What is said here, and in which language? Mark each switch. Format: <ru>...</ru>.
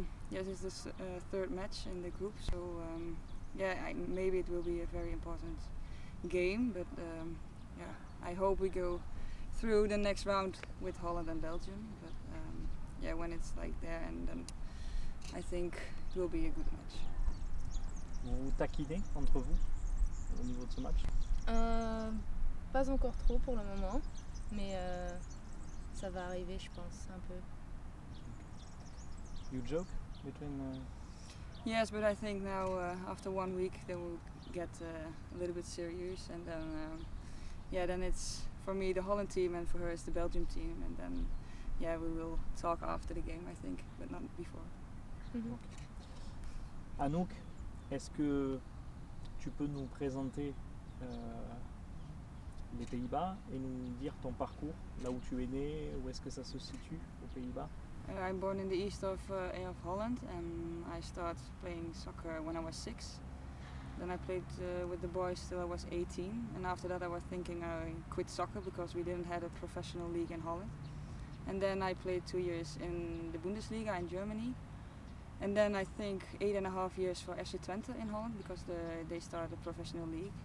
<en>Yes, it's the third match in the group, so maybe it will be a very important game, but I hope we go through the next round with Holland and Belgium. But when it's like there, and then I think it will be a good match.</en> <fr>Vous taquinez entre vous au niveau de ce match? Pas encore trop pour le moment, mais ça va arriver, je pense, un peu.</fr> <en>You joke between? Yes, but I think now after 1 week they will get a little bit serious, and then then it's for me the Holland team, and for her it's the Belgium team, and then we will talk after the game, I think, but not before. Mm-hmm.</en> <fr>Anouk, est-ce que tu peux nous présenter les Pays-Bas et nous dire ton parcours, là où tu es né, où est-ce que ça se situe aux Pays-Bas?</fr> <en>I'm born in the east of Holland, and I started playing soccer when I was 6. Then I played with the boys till I was 18, and after that I was thinking I quit soccer because we didn't have a professional league in Holland. And then I played 2 years in the Bundesliga in Germany, and then I think 8.5 years for FC Twente in Holland because they started a professional league.</en>